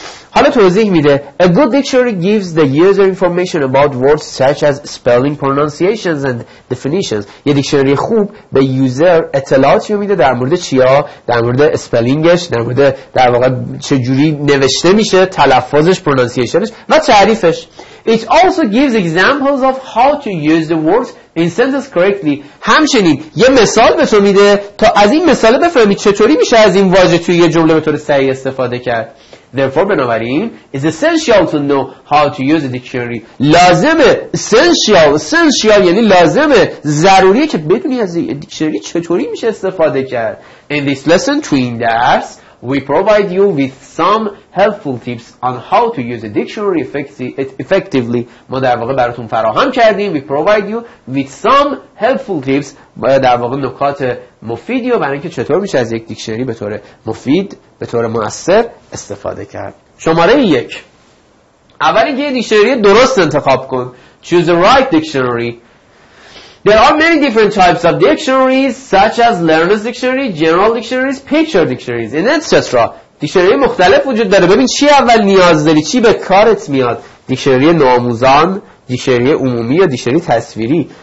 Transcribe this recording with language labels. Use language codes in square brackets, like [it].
[fa] حالا توضیح میده [en] a good dictionary gives the user information about words such as spelling, pronunciations and definitions. [fa] یه دیکشنری خوب به یوزر اطلاعاتی میده در مورد چیا، در مورد اسپلینگش، در مورد در واقع چجوری نوشته میشه، تلفظش، پرونانسیشنش و تعریفش. [en] It also gives examples of how to use the words in sentence correctly. [fa] همچنین یه مثال به تو میده تا از این مثال بفهمی چطوری میشه از این واژه توی یه جمله به طور صحیح استفاده کرد. [en] Therefore بنابراین is essential to know how to use a dictionary. [fa] لازمه، essential یعنی لازمه، ضروریه که بدونی از این دیکشنری چطوری میشه استفاده کرد. [en] In this lesson to [fa] این درس [en] we provide you with some helpful tips on how to use a dictionary effectively. [fa] ما در واقع براتون فراهم کردیم. [en] We provide you with some helpful tips. [fa] در واقع نکات مفیدی و برای اینکه چطور میشه از یک دیکشنری به طور مفید، به طور مؤثر استفاده کرد. شماره یک. اول اینکه یه دیکشنری درست انتخاب کن. [en] Choose the right dictionary. There are many different types of dictionaries such as learner's dictionary, general dictionaries, picture dictionaries and etc. [fa] دیکشنری مختلف وجود داره. ببین چی اول نیاز داری، چی به کارت میاد، دیکشنری نوآموزان، دیکشنری عمومی یا دیکشنری تصویری.